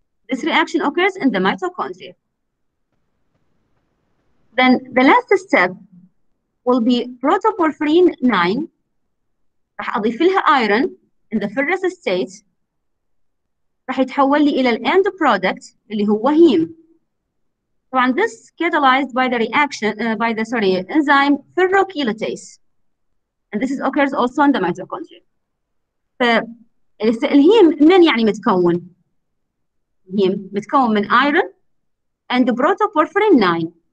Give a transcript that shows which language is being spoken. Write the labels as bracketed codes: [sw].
[en] This reaction occurs in the mitochondria. Then the last step will be protoporphyrin 9. [ar] راح أضيف لها iron. [en] In the ferrous state, [ar] راح يتحول لي إلى [en] the end product [ar] اللي هو هيم. [en] طبعا this catalyzed by the reaction enzyme ferrochelatase, and this occurs also in the mitochondria. [ar] فالهيم من يعني متكون؟ هيم متكون من iron and protoporphyrin 9.